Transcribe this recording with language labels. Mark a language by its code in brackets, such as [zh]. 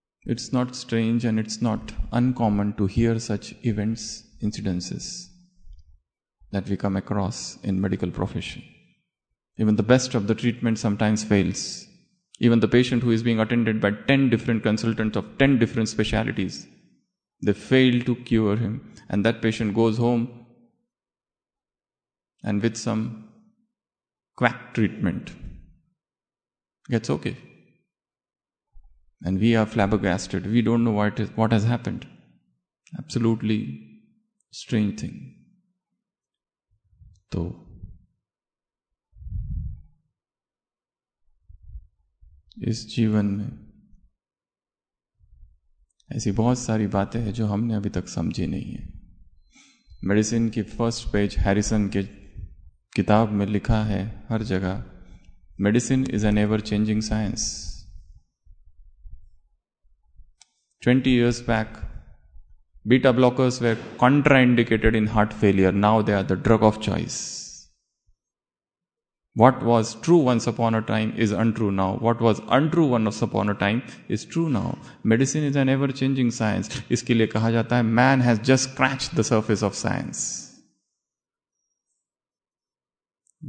[en] It's not strange and it's not uncommon to hear such events incidences that we come across in medical profession. Even the best of the treatment sometimes fails. Even the patient who is being attended by 10 different consultants of 10 different specialties, they fail to cure him. And that patient goes home and with some quack treatment gets okay. And we are flabbergasted. We don't know what has happened. Absolutely strange thing. [hi] So, इस जीवन में ऐसी बहुत सारी बातें हैं जो हमने अभी तक समझी नहीं है. मेडिसिन की फर्स्ट पेज हैरिसन के किताब में लिखा है हर जगह, [en] Medicine is an ever changing science. 20 years back beta blockers were contraindicated in heart failure, now they are the drug of choice. What was true once upon a time is untrue now. What was untrue once upon a time is true now. Medicine is an ever-changing science. [hi] Iske liye kaha jata hai, [en] man has just scratched the surface of science.